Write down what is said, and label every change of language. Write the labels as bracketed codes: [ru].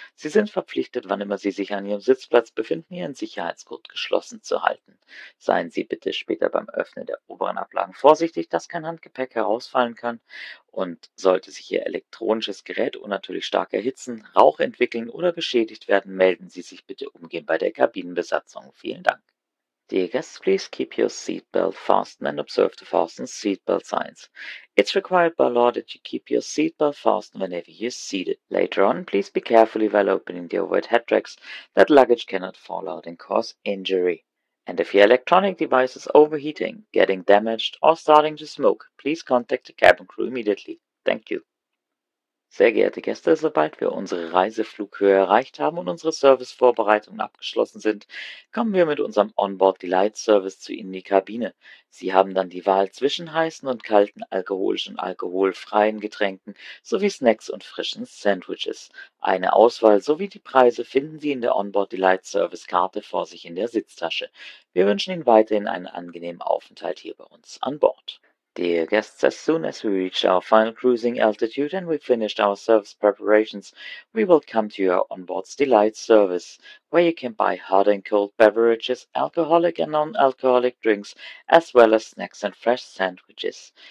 [de] Sie sind verpflichtet, wann immer Sie sich an Ihrem Sitzplatz befinden, Ihren Sicherheitsgurt geschlossen zu halten. Seien Sie bitte später beim Öffnen der oberen Ablagen vorsichtig, dass kein Handgepäck herausfallen kann. Und sollte sich Ihr elektronisches Gerät unnatürlich stark erhitzen, Rauch entwickeln oder beschädigt werden, melden Sie sich bitte umgehend bei der Kabinenbesatzung. Vielen Dank. [en] Dear guests, please keep your seatbelt fastened and observe the fastened seatbelt signs. It's required by law that you keep your seatbelt fastened whenever you're seated. Later on, please be careful while opening the overhead hatchways that luggage cannot fall out and cause injury. And if your electronic device is overheating, getting damaged or starting to smoke, please contact the cabin crew immediately. Thank you. [de] Sehr geehrte Gäste, sobald wir unsere Reiseflughöhe erreicht haben und unsere Servicevorbereitungen abgeschlossen sind, kommen wir mit unserem Onboard Delight Service zu Ihnen in die Kabine. Sie haben dann die Wahl zwischen heißen und kalten alkoholischen und alkoholfreien Getränken sowie Snacks und frischen Sandwiches. Eine Auswahl sowie die Preise finden Sie in der Onboard Delight Service Karte vor sich in der Sitztasche. Wir wünschen Ihnen weiterhin einen angenehmen Aufenthalt hier bei uns an Bord. [en] Dear guests, as soon as we reach our final cruising altitude and we finished our service preparations, we will come to your onboard's delight service, where you can buy hot and cold beverages, alcoholic and non-alcoholic drinks, as well as snacks and fresh sandwiches.